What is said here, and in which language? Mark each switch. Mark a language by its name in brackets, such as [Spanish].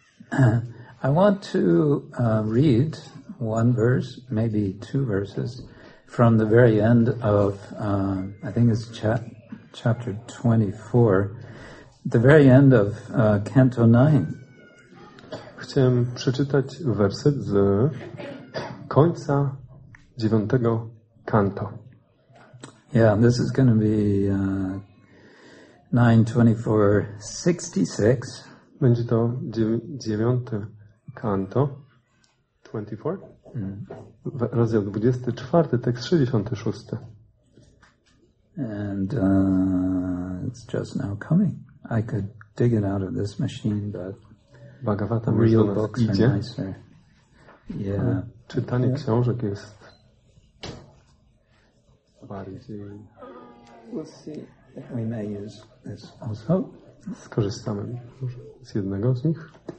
[English] I want to read one verse, maybe two verses, from the very end of, I think it's chapter 24, the very end of Canto 9. [Polish] Chciałem przeczytać werset z końca dziewiątego kanto. [English] Yeah, this is going to be 9:24:66. [Polish] Będzie to dziewiąty kanto, 24, rozdział 24, tekst 66. [English] And it's just now coming. I could dig it out of this machine, but Bhagavatam real books are [Polish] idzie. [English] Nicer. Yeah. [Polish] Czytanie książek jest bardziej... [English] We'll see. We may use this also. [Polish] Skorzystamy z jednego z nich.